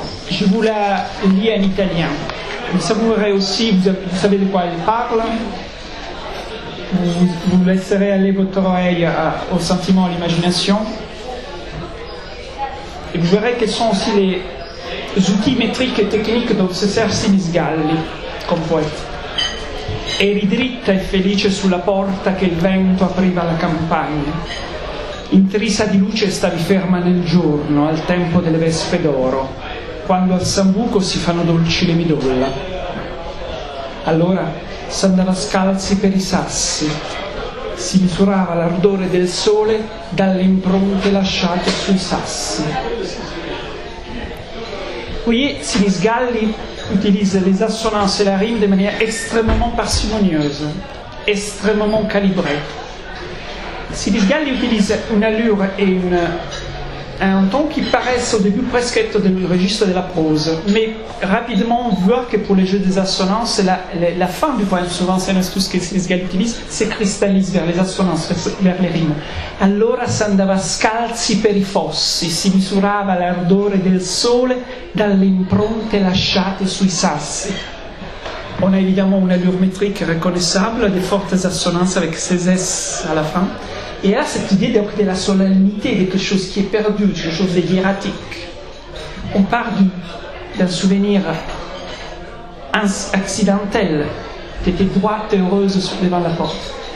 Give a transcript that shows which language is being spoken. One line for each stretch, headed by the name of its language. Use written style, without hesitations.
French: Je vous la lis en italien. Mais ça vous verrez aussi, vous savez de quoi elle parle. Vous laisserez aller votre oreille au sentiment, à l'imagination. Et vous verrez quels sont aussi les outils métriques et techniques dont se sert Sinis Galli comme poète.
Italian: Eri dritta e felice sulla porta che il vento apriva alla campagna. Intrisa di luce stavi ferma nel giorno, al tempo delle vespe d'oro, quando al sambuco si fanno dolci le midolla. Allora s'andava scalzi per i sassi, si misurava l'ardore del sole dalle impronte lasciate sui sassi.
French: Qui Sinis Galli utilise les assonances et la rime de manière extrêmement parcimonieuse, extrêmement calibrée. Sinis Galli utilise une allure et un ton qui paraissent au début presque être dans le registre de la prose, mais rapidement on voit que pour les jeux des assonances, la fin du poème, souvent c'est un astuce que Sinis Galli utilise, se cristallise vers les assonances, vers les rimes.
Italian: Allora s'andava scalzi per i fossi, si misurava l'ardore del sole dalle impronte lasciate sui sassi.
French: On a évidemment une allure métrique reconnaissable, des fortes assonances avec ces S à la fin. Et là, cette idée donc, de la solennité, quelque chose qui est perdu, quelque chose de hiératique. On part d'un souvenir accidentel, d'être droite et heureuse devant la porte.